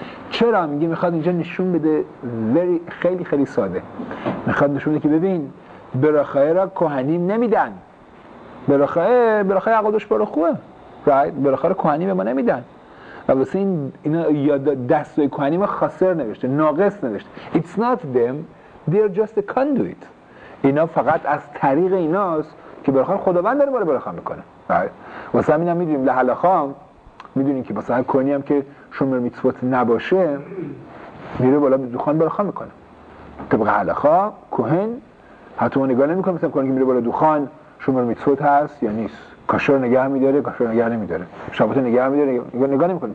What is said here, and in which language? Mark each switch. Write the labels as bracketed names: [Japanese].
[Persian] چرا؟ میگه میخواد اینجا نشون بده very خیلی خیلی ساده، میخواد نشون بده که ببین براخایه را کهنیم نمیدن، براخایه براخایه عقادش برا خوبه right، براخایه را کهنیم به ما نمیدن و واسه این اینا یاد دستای کهنی ما خسر نوشته، ناقص نوشته. [English] It's not them, they're just a conduit. [Persian] اینا فقط از طریق ایناست که براخان خداوند داره برای براخان میکنه. واسه همین هم میدونیم لحلخا میدونیم که واسه هر کهنی هم که شمر میتسوات نباشه میره بالا دوخان براخان میکنه. طبق لحلخا کهن حتی ما نگاه نمی کنه مثلا کهنی که میره بالا دوخان شمر میتسوات هست یا نیست، کاشر نگه میداره کاشر نگه نمیداره، شبات نگه میداره نگاه نمیکنه.